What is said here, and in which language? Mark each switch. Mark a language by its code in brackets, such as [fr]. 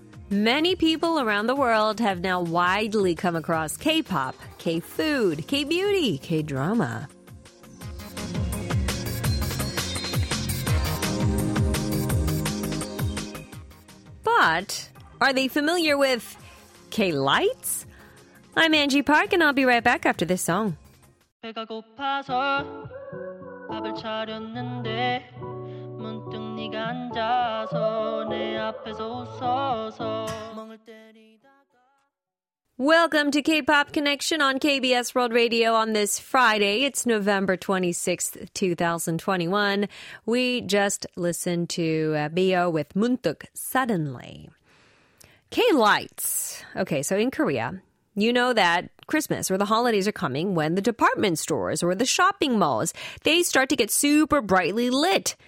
[en] Many people around the world have now widely come across K-pop, K-food, K-beauty, K-drama. But are they familiar with K-lights? I'm Angie Park, and I'll be right back after this song. [ko] 배가 고파서 밥을 차렸는데 문득 네가 앉아서 내 앞에서 웃어서 멍을 때리 [en] Welcome to K-Pop Connection on KBS World Radio on this Friday. It's November 26th, 2021. We just listened to BO with 문득, suddenly. K-Lights. Okay, so in Korea, you know that Christmas or the holidays are coming when the department stores or the shopping malls, they start to get super brightly lit.